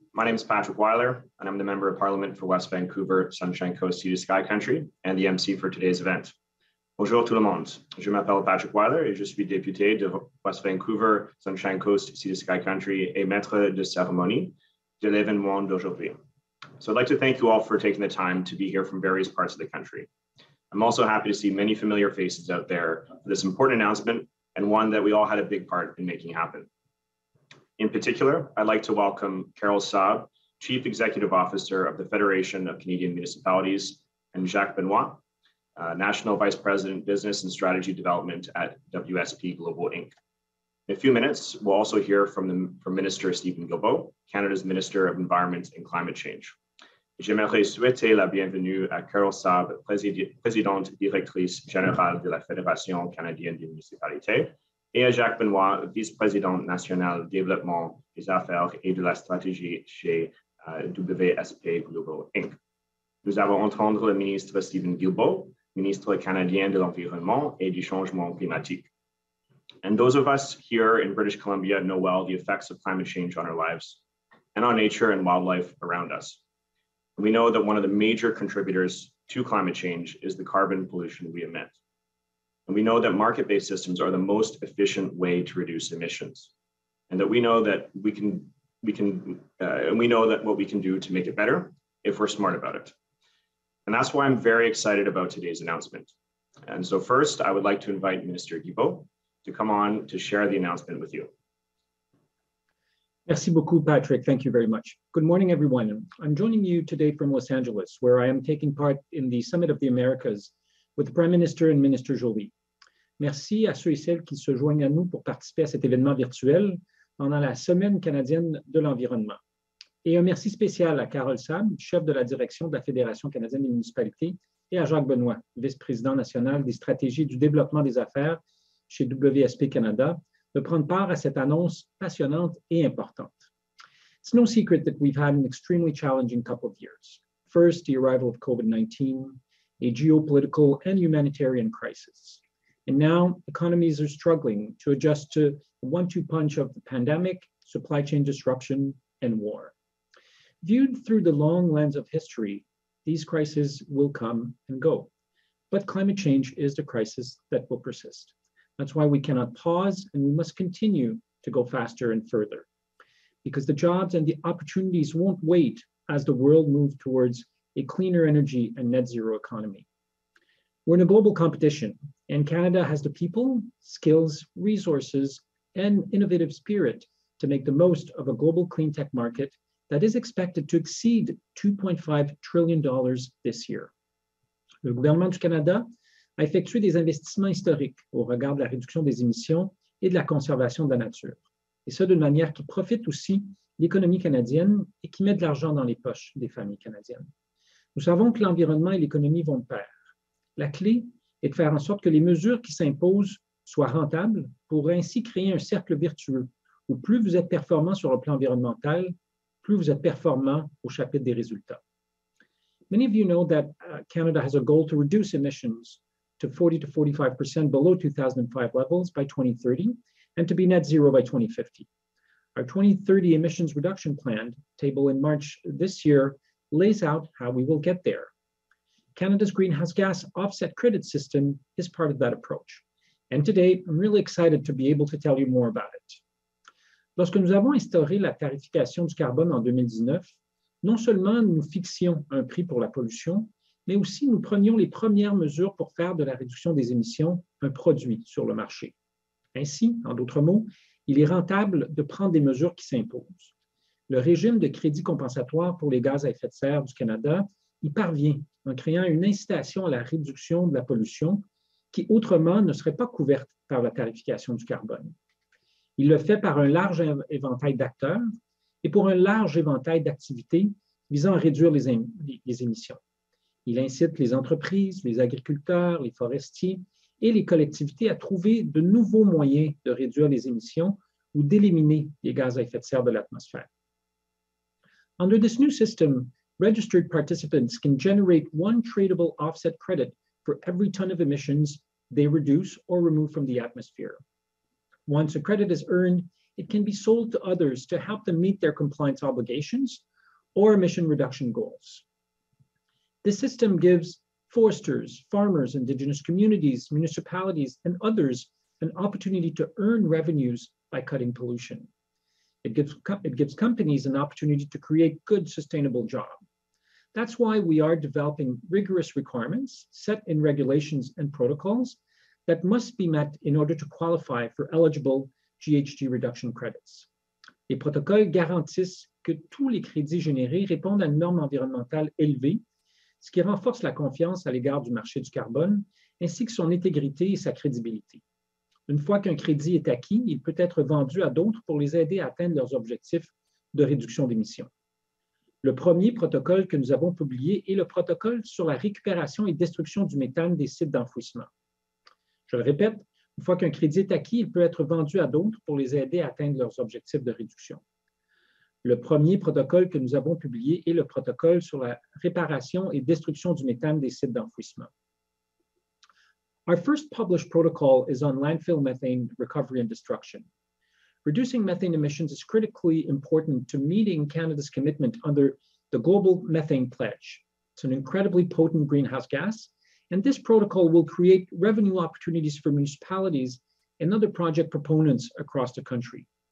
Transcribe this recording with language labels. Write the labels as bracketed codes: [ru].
[en] My name is Patrick Weiler, and I'm the Member of Parliament for West Vancouver, Sunshine Coast, Sea to Sky Country, and the MC for today's event. [fr] Bonjour tout le monde. Je m'appelle Patrick Weiler et je suis député de West Vancouver, Sunshine Coast, Sea to Sky Country, et maître de cérémonie de l'événement d'aujourd'hui. [en] So I'd like to thank you all for taking the time to be here from various parts of the country. I'm also happy to see many familiar faces out there for this important announcement and one that we all had a big part in making happen. In particular, I'd like to welcome Carole Saab, Chief Executive Officer of the Federation of Canadian Municipalities, and Jacques Benoit, National Vice President, Business and Strategy Development at WSP Global Inc. In a few minutes, we'll also hear from Minister Stephen Guilbeault, Canada's Minister of Environment and Climate Change. [fr] J'aimerais souhaiter la bienvenue à Carole Saab, Présidente Directrice Générale de la Fédération Canadienne des Municipalités, et à Jacques Benoit, Vice-Président National Développement des Affaires et de la Stratégie chez WSP Global Inc. Nous avons entendu le ministre Stephen Guilbeault, ministre canadien de l'Environnement et du Changement Climatique. [en] And those of us here in British Columbia know well the effects of climate change on our lives and on nature and wildlife around us. We know that one of the major contributors to climate change is the carbon pollution we emit. And we know that market-based systems are the most efficient way to reduce emissions. And that we know that what we can do to make it better if we're smart about it. And that's why I'm very excited about today's announcement. And so first, I would like to invite Minister Guilbeault to come on to share the announcement with you. [fr] Merci beaucoup, [en] Patrick. Thank you very much. Good morning, everyone. I'm joining you today from Los Angeles, where I am taking part in the Summit of the Americas with the Prime Minister and Minister Joly. [fr] Merci à ceux et celles qui se joignent à nous pour participer à cet événement virtuel pendant la Semaine canadienne de l'environnement. Et un merci spécial à Carole Saab, chef de la direction de la Fédération canadienne des municipalités, et à Jacques Benoit, vice-président national des stratégies du développement des affaires chez WSP Canada, de prendre part à cette annonce passionnante et importante. [en] It's no secret that we've had an extremely challenging couple of years. First, the arrival of COVID-19, a geopolitical and humanitarian crisis. And now, economies are struggling to adjust to the one-two punch of the pandemic, supply chain disruption, and war. Viewed through the long lens of history, these crises will come and go. But climate change is the crisis that will persist. That's why we cannot pause, and we must continue to go faster and further. Because the jobs and the opportunities won't wait as the world moves towards a cleaner energy and net zero economy. We're in a global competition, and Canada has the people, skills, resources, and innovative spirit to make the most of a global clean tech market that is expected to exceed $2.5 trillion this year. [fr] Le gouvernement du Canada a effectué des investissements historiques au regard de la réduction des émissions et de la conservation de la nature, et ce d'une manière qui profite aussi l'économie canadienne et qui met de l'argent dans les poches des familles canadiennes. Nous savons que l'environnement et l'économie vont de pair. La clé est de faire en sorte que les mesures qui s'imposent soient rentables pour ainsi créer un cercle virtueux où plus vous êtes performant sur le plan environnemental, plus vous êtes performant au chapitre des résultats. [en] Many of you know that Canada has a goal to reduce emissions to 40 to 45% below 2005 levels by 2030 and to be net zero by 2050. Our 2030 emissions reduction plan table in March this year lays out how we will get there. Canada's greenhouse gas offset credit system is part of that approach. And today, I'm really excited to be able to tell you more about it. [fr] Lorsque nous avons instauré la tarification du carbone en 2019, non seulement nous fixions un prix pour la pollution, mais aussi nous prenions les premières mesures pour faire de la réduction des émissions un produit sur le marché. Ainsi, en d'autres mots, il est rentable de prendre des mesures qui s'imposent. Le régime de crédit compensatoire pour les gaz à effet de serre du Canada y parvient en créant une incitation à la réduction de la pollution qui autrement ne serait pas couverte par la tarification du carbone. Il le fait par un large éventail d'acteurs et pour un large éventail d'activités visant à réduire les émissions. Il incite les entreprises, les agriculteurs, les forestiers et les collectivités à trouver de nouveaux moyens de réduire les émissions ou d'éliminer les gaz à effet de serre de l'atmosphère. [en] Under this new system, registered participants can generate one tradable offset credit for every tonne of emissions they reduce or remove from the atmosphere. Once a credit is earned, it can be sold to others to help them meet their compliance obligations or emission reduction goals. This system gives foresters, farmers, indigenous communities, municipalities, and others an opportunity to earn revenues by cutting pollution. It gives companies an opportunity to create good, sustainable jobs. That's why we are developing rigorous requirements set in regulations and protocols that must be met in order to qualify for eligible GHG reduction credits. [fr] Les protocoles garantissent que tous les crédits générés répondent à une norme environnementale élevée, ce qui renforce la confiance à l'égard du marché du carbone, ainsi que son intégrité et sa crédibilité. Une fois qu'un crédit est acquis, il peut être vendu à d'autres pour les aider à atteindre leurs objectifs de réduction d'émissions. Le premier protocole que nous avons publié est le protocole sur la récupération et destruction du méthane des sites d'enfouissement. Je le répète, une fois qu'un crédit est acquis, il peut être vendu à d'autres pour les aider à atteindre leurs objectifs de réduction. Le premier protocole que nous avons publié est le protocole sur la réparation et destruction du méthane des sites d'enfouissement. [en] Our first published protocol is on landfill methane recovery and destruction. Reducing methane emissions is critically important to meeting Canada's commitment under the Global Methane Pledge. It's an incredibly potent greenhouse gas, and this protocol will create revenue opportunities for municipalities and other project proponents across the country.